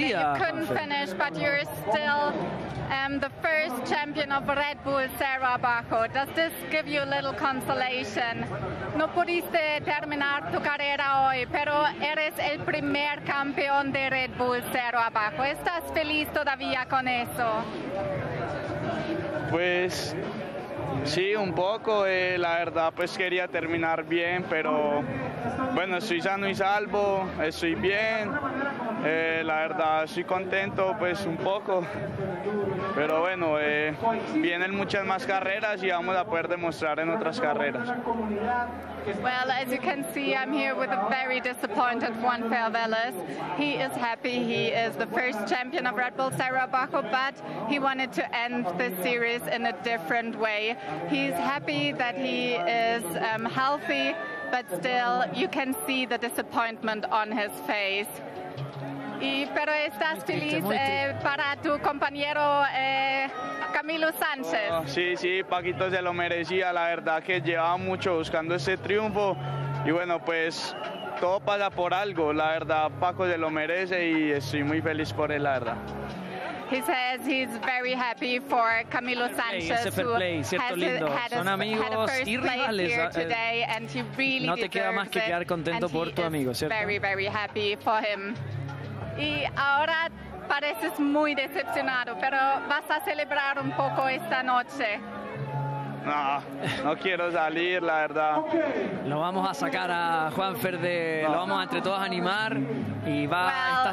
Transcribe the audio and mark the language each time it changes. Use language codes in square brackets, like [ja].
[en] You couldn't finish, but you're still the first champion of Red Bull, Sarah Bajo. Does this give you a little consolation? [es] No pudiste terminar tu carrera hoy, pero eres el primer campeón de Red Bull, Sarah Bajo. ¿Estás feliz todavía con eso? Pues sí, un poco. La verdad, pues quería terminar bien, pero bueno, estoy sano y salvo, estoy bien. La verdad, estoy contento, pues un poco. Pero bueno, vienen muchas más carreras y vamos a poder demostrar en otras carreras. [en] Well, as you can see, I'm here with a very disappointed Juan Fervelis. He is happy he is the first champion of Red Bull, Sarah Bajo, but he wanted to end this series in a different way. He's happy that he is healthy, but still, you can see the disappointment on his face. [es] Y pero estás feliz para tu compañero Camilo Sánchez. Sí, sí, Paquito se lo merecía. La verdad que llevaba mucho buscando ese triunfo. Y bueno, pues todo pasa por algo. La verdad, Paco se lo merece y estoy muy feliz por él, la verdad. [en] He says he's very happy for Camilo Sanchez, who had a first play here today, and he really deserves it, very, very happy for him. [es] Y ahora pareces muy decepcionado, pero vas a celebrar un poco esta noche. No quiero salir, la verdad. Lo vamos a sacar a Juanfer de... No. Lo vamos a entre todos a animar y va, [en] well,